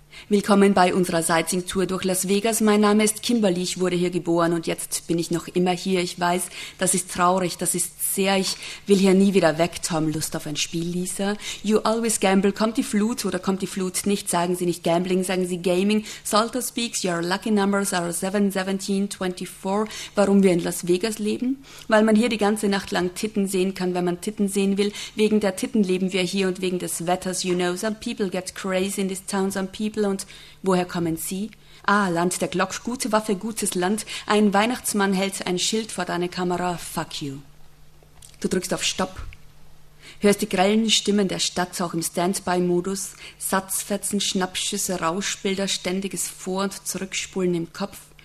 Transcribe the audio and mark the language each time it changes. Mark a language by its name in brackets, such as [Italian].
[German] Willkommen bei unserer Sightseeing-Tour durch Las Vegas. Mein Name ist Kimberly, ich wurde hier geboren und jetzt bin ich noch immer hier. Ich weiß, das ist traurig, das ist sehr. Ich will hier nie wieder weg, Tom. Lust auf ein Spiel, Lisa? [English] You always gamble. [German] Kommt die Flut oder kommt die Flut nicht? Sagen Sie nicht Gambling, sagen Sie Gaming. [English] Salter speaks, your lucky numbers are 7, 17, 24. [German] Warum wir in Las Vegas leben? Weil man hier die ganze Nacht lang Titten sehen kann, wenn man Titten sehen will. Wegen der Titten leben wir hier und wegen des Wetters, [English] you know. Some people get crazy in this town, some people. [German] Und woher kommen Sie? Ah, Land der Glock, gute Waffe, gutes Land. Ein Weihnachtsmann hält ein Schild vor deine Kamera. [English] Fuck you. [German] Du drückst auf Stopp. Hörst die grellen Stimmen der Stadt, auch im Standby-Modus. Satzfetzen, Schnappschüsse, Rauschbilder, ständiges Vor- und Zurückspulen im Kopf.